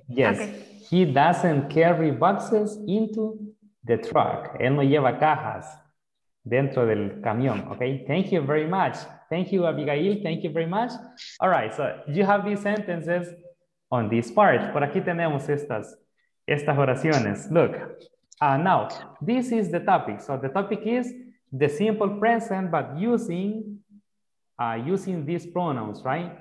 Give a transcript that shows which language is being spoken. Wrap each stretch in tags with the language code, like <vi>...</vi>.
<en>Yes, okay. He doesn't carry boxes into the truck.</en> <es>Él no lleva cajas dentro del camión, okay?</es> <en>Thank you very much. Thank you, Abigail. Thank you very much. All right, so you have these sentences on this part.</en> <es>Por aquí tenemos estas oraciones.</es> <en>Look, now, this is the topic. So the topic is the simple present, but using these pronouns, right?</en>